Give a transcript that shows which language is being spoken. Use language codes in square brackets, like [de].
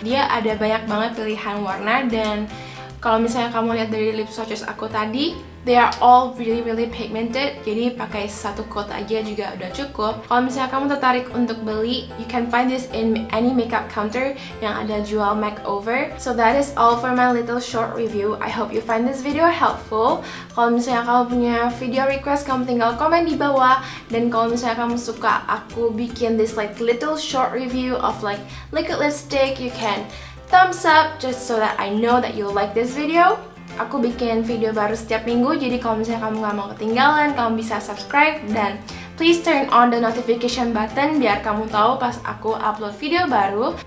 [id] Dia ada banyak banget pilihan warna dan kalau misalnya kamu lihat dari lip swatches aku tadi, [en] they are all really really pigmented. [id] Jadi pakai satu coat aja juga udah cukup. Kalau misalnya kamu tertarik untuk beli, [en] you can find this in any makeup counter [id] yang ada jual Makeover. [en] So that is all for my little short review. I hope you find this video helpful. [id] Kalau misalnya kamu punya video request, kamu tinggal komen di bawah. Dan kalau misalnya kamu suka aku bikin [en] this like little short review of like liquid lipstick, you can thumbs up just so that I know that you'll like this video. [id] Aku bikin video baru setiap minggu, jadi kalau misalnya kamu gak mau ketinggalan, kamu bisa subscribe dan [en] please turn on the notification button [id] biar kamu tahu pas aku upload video baru.